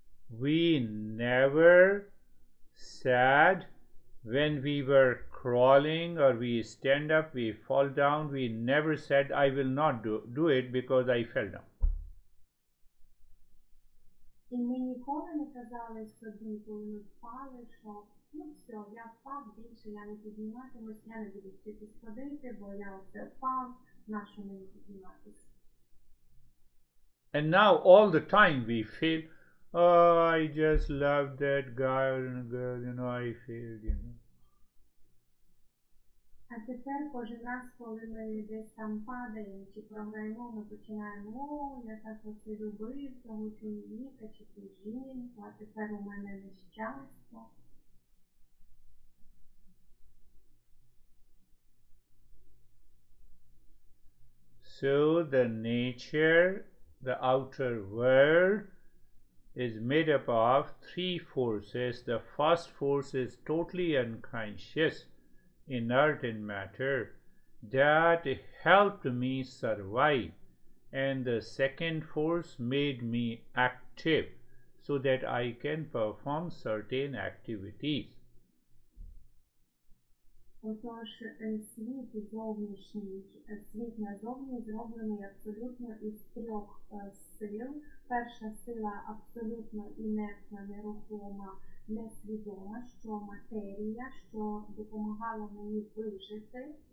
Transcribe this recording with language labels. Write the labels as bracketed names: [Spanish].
[English] We never sad when we were crawling, or we stand up, we fall down, we never said, I will not do it because I fell down. [Ukrainian] І ми ніколи не казали собі, коли ми впали, що ну все, я впав, більше я не підніматимусь, я не буду тільки сходити, бо я все впав, на що мені підніматися. [English] And now all the time we feel, oh, I just love that guy or girl, you know, I feel, you know. [Ukrainian] А тепер кожен раз, коли ми десь там падаємо чи програємо, ми починаємо, о, я так оце любив того чоловіка чи ту жінку, а тепер у мене нещастя. [English] So the nature, the outer world, is made up of three forces. The first force is totally unconscious, inert in matter, that helped me survive, and the second force made me active so that I can perform certain activities. [Ukrainian] Отож, світ зовнішній, світ назовні зроблений абсолютно із трьох сил. Перша сила абсолютно інертна, нерухома, несвідома, що матерія, що допомагала мені вижити.